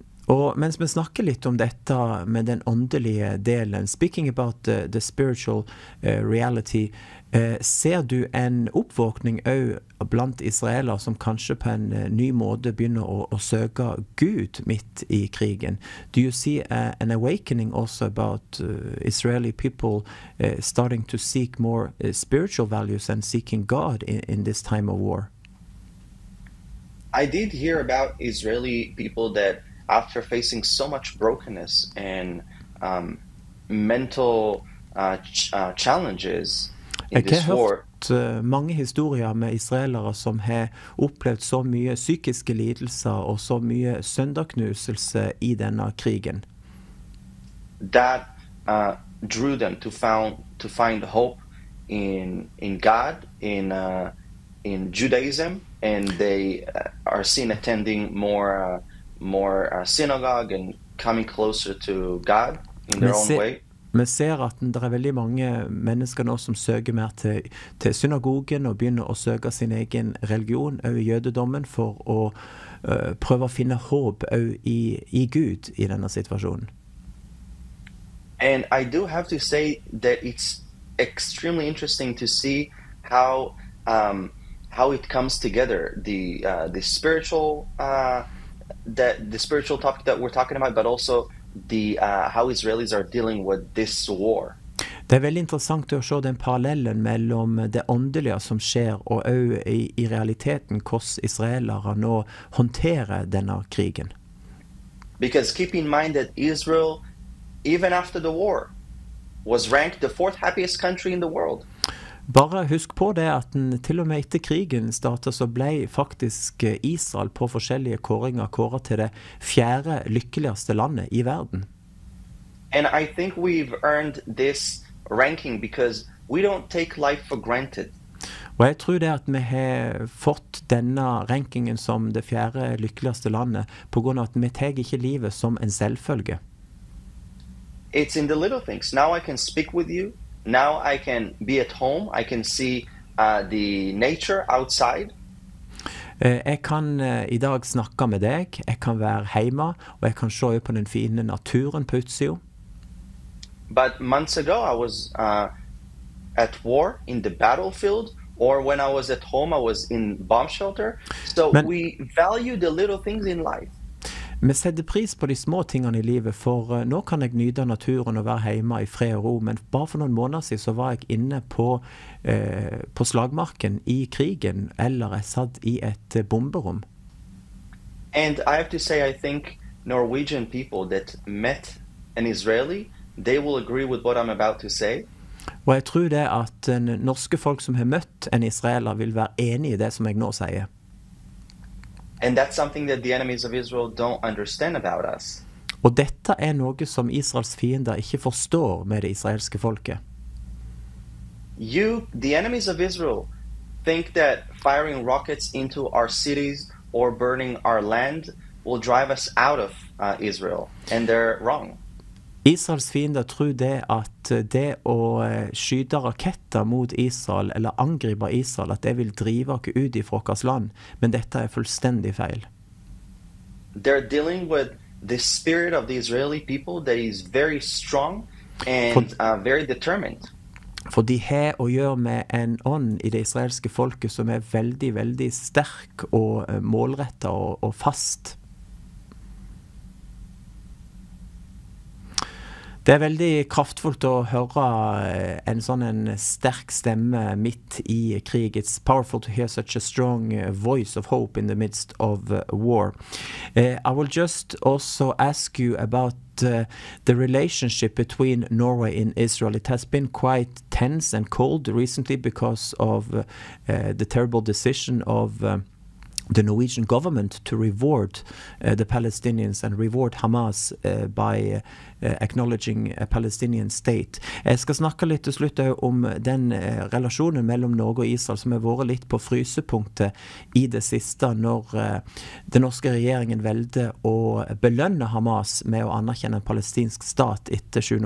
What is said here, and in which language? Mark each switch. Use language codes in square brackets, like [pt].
[no] Og mens vi snakker litt om dette med den åndelige delen, [en] speaking about the spiritual reality, [no] ser du en oppvåkning også blant israeler som kanskje på en ny måte begynner å søke Gud midt i krigen? [en] Do you see an awakening also about Israeli people starting to seek more spiritual values and seeking God in this time of war? I did hear about Israeli people that after facing so much brokenness and mental challenges in this war. [no] Jeg har hørt mange historier med israelere som har opplevd så mye psykiske lidelser og så mye søndagsknuselse i denne krigen. [en] That drew them to find hope in God, in Judaism, and they are seen attending more synagogue and coming closer to God in their own way. [no] Vi ser at det er veldig mange mennesker nå som søker mer til synagogen og begynner å søke sin egen religion, over jødedommen, for å prøve å finne håp i Gud i denne situasjonen. [en] And I do have to say that it's extremely interesting to see how it comes together, the spiritual that the spiritual topic that we're talking about, but also the how Israelis are dealing with this war. [no] Det er veldig interessant å se den parallellen mellom det åndelige som skjer og i realiteten hvordan israelere nå håndterer denne krigen. [en] Because keep in mind that Israel, even after the war, was ranked the fourth happiest country in the world. [no] Bare husk på det at den, til og med etter krigen startet, så ble faktisk Israel på forskjellige kåringer kåret til det fjerde lykkeligste landet i verden. [en] And I think we've earned this ranking because we don't take life for granted. [no] Og jeg tror det at vi har fått denne rankingen som det fjerde lykkeligste landet på grunn av at vi tar ikke livet som en selvfølge. [en] It's in the little things. Now I can speak with you. Now I can be at home. I can see the nature outside. [no] Jeg kan i dag snakke med deg. Jeg kan være hjemme, og jeg kan se på den fine naturen på utsiden. [en] But months ago, I was at war in the battlefield, or when I was at home, I was in bomb shelter. So men, we value the little things in life. [no] Vi setter pris på de små tingene i livet, for nå kan jeg nyte naturen og være hjemme i fred og ro, men bare for noen måneder siden så var jeg inne på slagmarken i krigen, eller jeg satt i et bomberom. [en] And I have to say, I think Norwegian people that met an Israeli, they will agree with what I'm about to say. [no] Og jeg tror det at norske folk som har møtt en israeler vil være enige i det som jeg nå sier. [en] And that's something that the enemies of Israel don't understand about us. [no] Og dette er noe som Israels fiender ikke forstår med det israelske folket. [en] You, the enemies of Israel, think that firing rockets into our cities or burning our land will drive us out of Israel, and they're wrong. [no] Israels fiender tror det at det å skyde raketter mot Israel eller angripe Israel, at det vil drive oss ut i folkets land. Men dette er fullstendig feil. [en] They're dealing with the spirit of the Israeli people that is very strong and very determined. [no] For de har å gjøre med en ånd i det israelske folket som er veldig, veldig sterk og målrettet og fast. Det er veldig kraftfullt å høre en sånn en sterk stemme midt i krig. [en] It's powerful to hear such a strong voice of hope in the midst of war. I will just also ask you about the relationship between Norway and Israel. It has been quite tense and cold recently because of the terrible decision of the Norwegian government to reward the Palestinians and reward Hamas by acknowledging a Palestinian state. [no] Jeg skal snakke litt til slutt om den relasjonen mellom Norge og Israel som har vært litt på frysepunktet i det siste når den norske regjeringen velde å belønne Hamas med å anerkjenne en palestinsk stat etter 7.